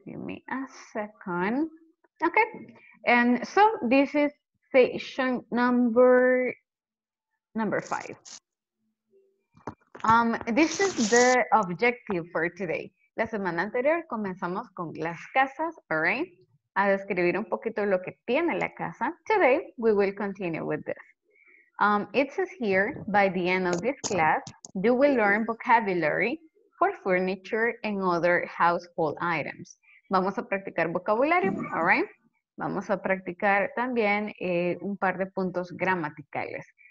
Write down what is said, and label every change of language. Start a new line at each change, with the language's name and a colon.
English: Give me a second. Okay. And so this is section number 5. This is the objective for today.
Spanish: La semana anterior comenzamos con las casas,
English: all right?
Spanish: A describir un poquito lo que tiene la casa.
English: Today, we will continue with this. It says here, by the end of this class, you will learn vocabulary for furniture and other household items.
Spanish: Vamos a practicar vocabulario,
English: all right?
Spanish: Vamos a practicar también un par de puntos gramaticales.